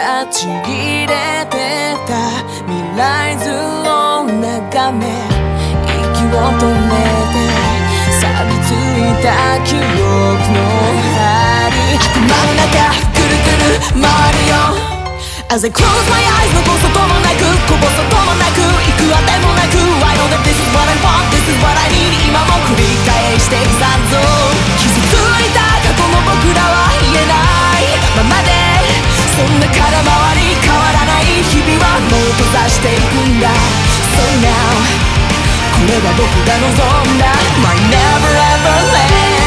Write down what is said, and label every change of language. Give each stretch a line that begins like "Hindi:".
Japanese: ちぎれてた未来図を眺め、息を止めて錆びついた記憶の針、頭の中ぐるぐる回るよ。
English: As I close my eyes
Japanese: 残すともなくこぼすともなく行くあてもなく
English: I know that this is what I want, this is what I need.
Japanese: 今も繰り返していくさんぞ。傷ついた過去の僕らは言えないままで、そんな空回り変わらない日々はもう閉ざしていくんだ。
English: So now
Japanese: これが僕が望んだ
English: My never ever land